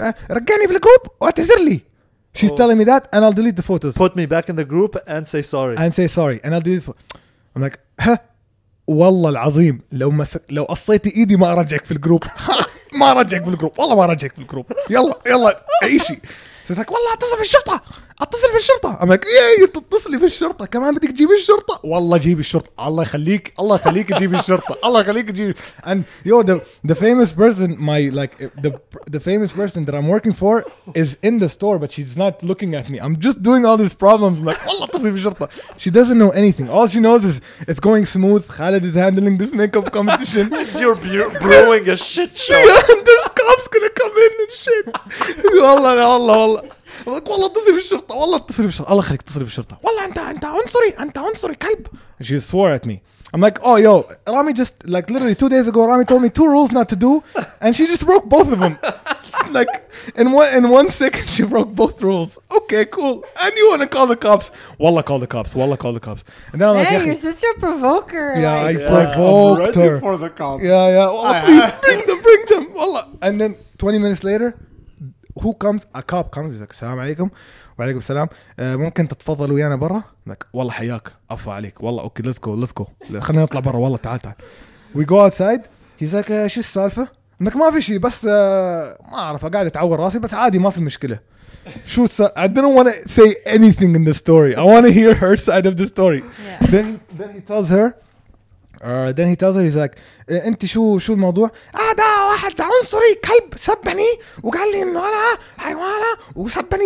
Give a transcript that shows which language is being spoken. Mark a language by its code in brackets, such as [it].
[ar] رجعني في الجروب واعتذرلي. [en] She's telling me that and I'll delete the photos. Put me back in the group and say sorry. And I'll delete the photos. I'm like, [ar] والله العظيم لو قصيتي ايدي ما ارجعك في الجروب. ما رجعك بالجروب والله ما رجعك بالجروب يلا اي شيء [en] she's like [ar] والله اتصل بالشرطة اتصل بالشرطة [en] I'm like [ar] ايه تتصلي بالشرطة كمان بدك تجيب الشرطة [en] والله جيب الشرطة الله يخليك تجيب الشرطة and yo the famous person the famous person that I'm working for is in the store but she's not looking at me I'm just doing all these problems I'm like [ar] والله اتصل بالشرطة [en] she doesn't know anything all she knows is it's going smooth Khaled is handling this makeup competition you're brewing a shit show yeah, there's cops gonna come in and [ar] شيت والله والله والله لك والله اتصل بالشرطة والله اتصل بالشرطة الله خليك اتصل بالشرطة والله انت عنصري كلب. [en] She swore at me. I'm like, oh yo, Rami just like literally 2 days ago Rami told me 2 rules not to do and she just broke both of them. Like in one second she broke both rules. Okay, cool. And you want to call the cops? Walla call the cops. And then I'm like, you're such a provoker. Yeah, like, I provoked her. I'm ready for the cops. Yeah, yeah. Walla, please bring them. Walla. And then 20 minutes later, who comes? A cop comes. He's like, "Assalamu alaikum." [ar] وعليكم السلام. ممكن تتفضل ويانا برا؟ like, والله حياك. أفا عليك. والله أوكي. [en] Let's go. [ar] خلينا نطلع برا. والله تعال. [en] We go outside. He's like, [ar] "شو السالفة؟" انك ما في شيء بس ما اعرف قاعد اتعور راسي بس عادي ما في مشكله شو [en] I didn't want to say anything in the story. I want to hear her side of the story. Yeah. Then he tells her he's like, [ar] انت شو الموضوع؟ ده واحد عنصري كلب سبني وقال لي انه انا حيوانة وسبني.